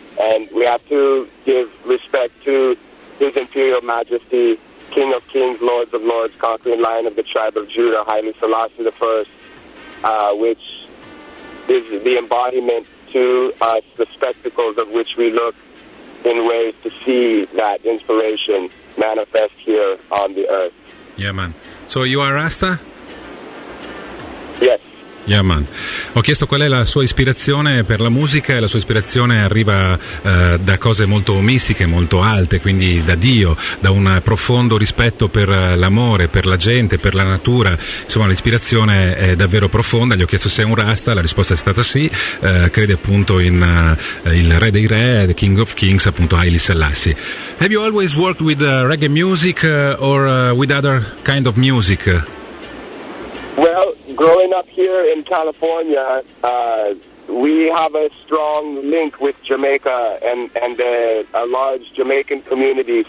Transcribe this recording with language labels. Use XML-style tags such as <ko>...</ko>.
<en>And we have to give respect to His Imperial Majesty, King of Kings, Lords of Lords, Conquering Lion of the Tribe of Judah, Haile Selassie I, which is the embodiment to us, the spectacles of which we look in ways to see that inspiration manifest here on the earth. Yeah, man. So you are Rasta? Yes. Yeah, man.</en> <it>Ho chiesto qual è la sua ispirazione per la musica e la sua ispirazione arriva da cose molto mistiche, molto alte, quindi da Dio, da un profondo rispetto per l'amore, per la gente, per la natura. Insomma, l'ispirazione è davvero profonda. Gli ho chiesto se è un Rasta, la risposta è stata sì. Crede appunto in il re dei re,</it> <en>the King of Kings,</en> <it>appunto Haile Selassie.</it> <en>Have you always worked with reggae music or with other kind of music? Well, growing up here in California, we have a strong link with Jamaica and a large Jamaican community.</en>